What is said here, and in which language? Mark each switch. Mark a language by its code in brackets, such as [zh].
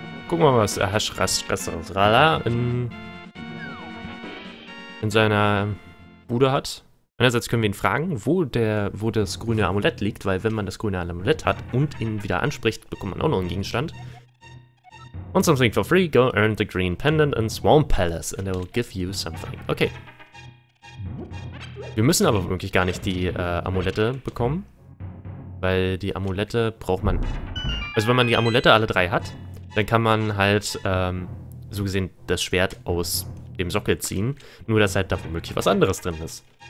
[de] Gucken wir mal, was er Hashrasrasrala in seiner Bude hat. Einerseits können wir ihn fragen, wo das grüne Amulett liegt, weil wenn man das grüne Amulett hat und ihn wieder anspricht, bekommt man auch noch einen Gegenstand. [en] Want something for free? Go earn the green pendant in Swamp Palace and I will give you something. Okay. [de] Wir müssen aber wirklich gar nicht die Amulette bekommen, weil die Amulette braucht man... Also wenn man die Amulette alle drei hat, dann kann man halt so gesehen das Schwert aus dem Sockel ziehen, nur dass halt da womöglich was anderes drin ist.